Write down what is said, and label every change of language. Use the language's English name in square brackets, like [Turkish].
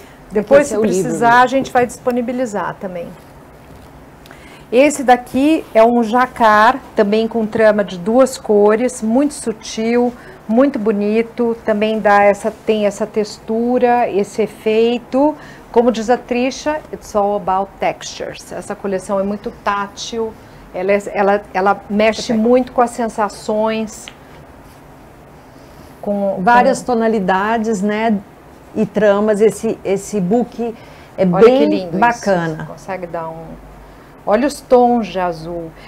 [Portuguese] Depois, se precisar, a gente vai disponibilizar também. Esse daqui é um jacar, também com trama de duas cores, muito sutil, muito bonito, também tem essa textura, esse efeito. Como diz a [English] Trisha, it's all about textures. [Portuguese] Essa coleção é muito tátil, ela mexe muito com as sensações. Com várias tonalidades, né? E tramas, esse book é olha bem que lindo bacana. Isso. Consegue dar um. Olha os tons de azul.